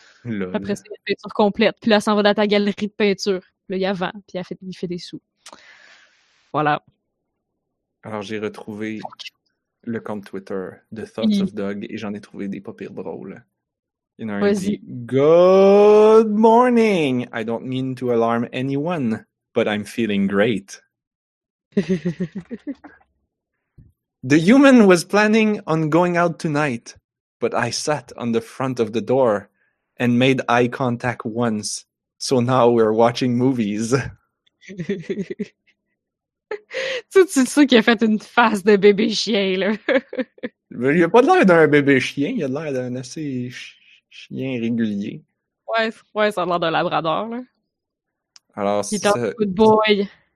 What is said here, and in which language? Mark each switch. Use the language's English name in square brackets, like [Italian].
[French] Lol. Après, c'est une peinture complète. Puis là, ça s'en va dans ta galerie de peinture. Là, il y a vent. Puis il fait des sous. Voilà. Alors, j'ai retrouvé le compte Twitter de Thoughts of Doug et j'en ai trouvé des pas pires drôles. Il y en a un dit, [English] Good morning! I don't mean to alarm anyone, but I'm feeling great. The human was planning on going out tonight, but I sat on the front of the door and made eye contact once, so now we're watching movies. [French] Tu sais qu'il a fait une face de bébé chien, là. Il a pas l'air d'un bébé chien, il a l'air d'un assez chien régulier. Ouais, ouais, ça a l'air d'un labrador, là. Alors, il est un [English] good boy.